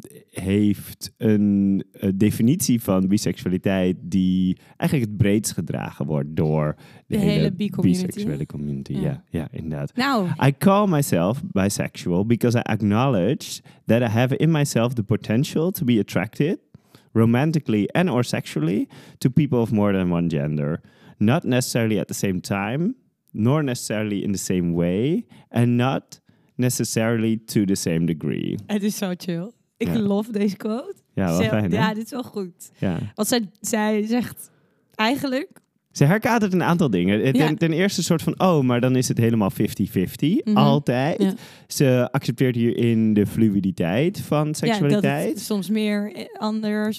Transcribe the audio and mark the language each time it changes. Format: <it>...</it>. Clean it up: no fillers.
<nl>heeft een definitie van biseksualiteit die eigenlijk het breedst gedragen wordt door de hele biseksuele community. Ja, inderdaad.</nl> <en>Now. I call myself bisexual because I acknowledge that I have in myself the potential to be attracted romantically and or sexually to people of more than one gender. Not necessarily at the same time, nor necessarily in the same way, and not necessarily to the same degree.</en> <nl>Het is zo chill. Ik love deze quote. Ja, wel fijn, hè? Ja, dit is wel goed. Ja. Want zij zegt eigenlijk... Ze herkadert een aantal dingen. Ten eerste soort van, maar dan is het helemaal 50-50. Mm-hmm. Altijd. Ja. Ze accepteert hierin de fluiditeit van seksualiteit. Ja, dat soms meer anders</nl>